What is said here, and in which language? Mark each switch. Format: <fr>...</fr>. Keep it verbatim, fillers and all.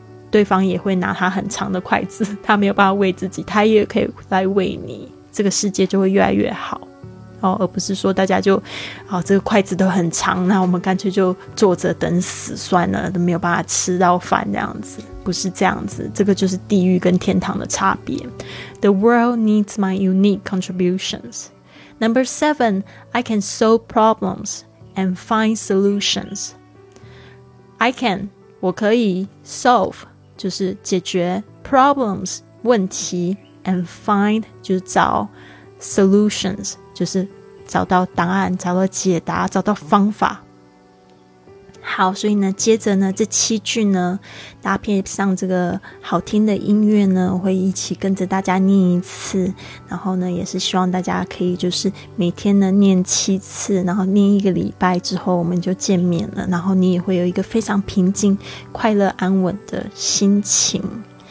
<zh>对方也会拿他很长的筷子，他没有办法喂自己，他也可以来喂你，这个世界就会越来越好、哦、而不是说大家就、哦、这个筷子都很长，那我们干脆就坐着等死算了，都没有办法吃到饭，这样子不是这样子，这个就是地狱跟天堂的差别。</zh> <en>The world needs my unique contributions. Number seven, I can solve problems and find solutions.</en> <zh>I can, 我可以 solve 就是解决 problems 问题 and find 就是找 solutions 就是找到答案，找到解答，找到方法。好，所以呢接着呢这七句呢搭配上这个好听的音乐呢，我会一起跟着大家念一次，然后呢也是希望大家可以就是每天呢念七次，然后念一个礼拜之后我们就见面了，然后你也会有一个非常平静快乐安稳的心情。</zh>